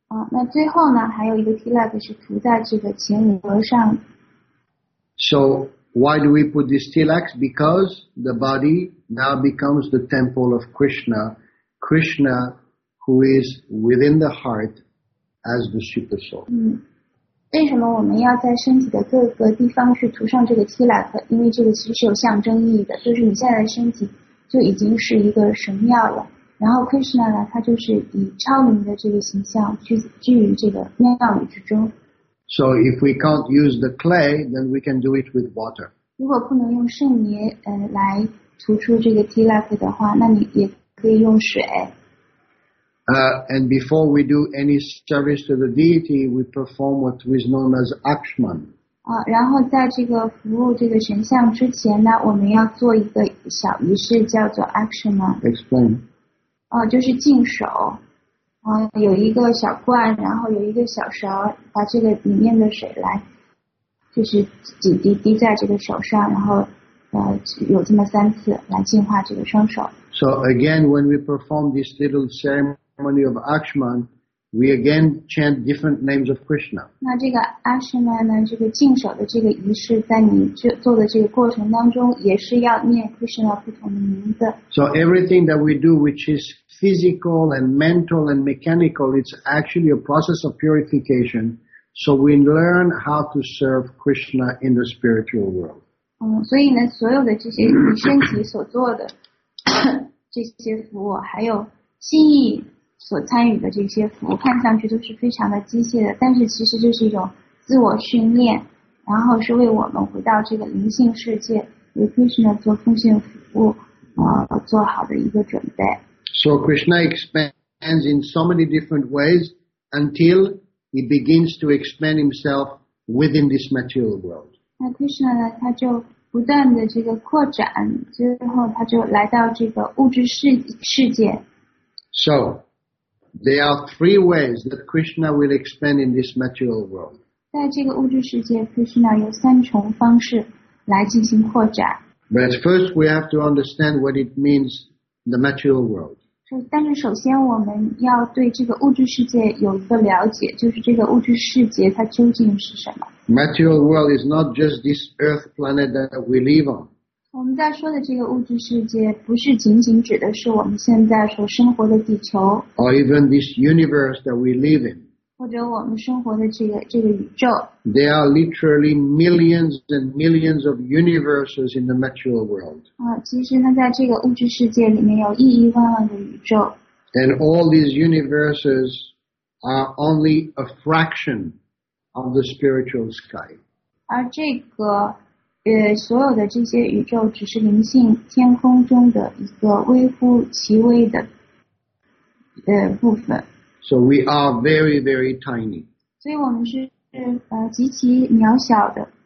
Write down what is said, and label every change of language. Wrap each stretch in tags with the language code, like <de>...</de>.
<zh>那最后呢，还有一个 tilak 是涂在这个前额上。So.</zh> <en>Why do we put these tilaks? Because the body now becomes the temple of Krishna. Krishna, who is within the heart as the super soul.</en> <zh>为什么我们要在身体的各个地方去涂上这个 Tilak？因为这个其实有象征意义的，就是你现在的身体就已经是一个神庙了。然后 Krishna 呢，他就是以超灵的这个形象居于这个庙宇之中。</zh> <en>So if we can't use the clay, then we can do it with water.</en> <zh>如果不能用圣泥来涂出这个 Tilak 的话，那你也可以用水。</zh> <en>And before we do any service to the deity, we perform what is known as Akshman.</en> <zh>然后在这个服务这个神像之前呢，我们要做一个小仪式，叫做 Akshman。</zh> <en>Explain.</en> <zh>就是净手。有一个小罐，然后有一个小勺，把这个里面的水来，就是几滴滴在这个手上，然后有这么三次来净化这个双手。</zh> <en>So again, when we perform this little ceremony. Ceremony of Akshman, we again chant different names of Krishna.</en> <zh>那这个 Akshman 呢，这个净手的这个仪式，在你做的这个过程当中，也是要念 Krishna 不同的名字。</zh> <en>So everything that we do, which is physical and mental and mechanical, it's actually a process of purification. So we learn how to serve Krishna in the spiritual world.</en> <zh>所以呢，所有的这些你身体所做的这些服务，还有心意所参与的这些服务，看上去都是非常的机械的，但是其实这是一种自我训练，然后是为我们回到这个灵性世界，为 Krishna 做奉献服务，做好的一个准备。</zh> <en>So Krishna expands in so many different ways until he begins to expand himself within this material world.</en> <zh>那 Krishna 呢，他就不断的这个扩展，最后他就来到这个物质世界。</zh> <en>So, there are three ways that Krishna will expand in this material world.</en> <zh>在这个物质世界 ，Krishna 有三重方式来进行扩展。</zh> <en>But first, we have to understand what it means the material world.</en> <zh>但是首先我们要对这个物质世界有一个了解，就是这个物质世界它究竟是什么。</zh> <en>Material world is not just this earth planet that we live on.</en> <zh>我们在说的这个物质世界不是仅仅指的是我们现在所生活的地球</zh> <en>or even this universe that we live in</en> <zh>或者我们生活的这个宇宙</zh> <en>there are literally millions and millions of universes in the material world</en> <zh>其实呢在这个物质世界里面有亿亿万万的宇宙</zh> <en>and all these universes are only a fraction of the spiritual sky</en> <zh>而这个所有的这些宇宙只是灵性天空中的一个微乎其微的部分。</zh> <en>So we are very, very tiny.</en> <zh>所以我们是极其渺小的。</zh>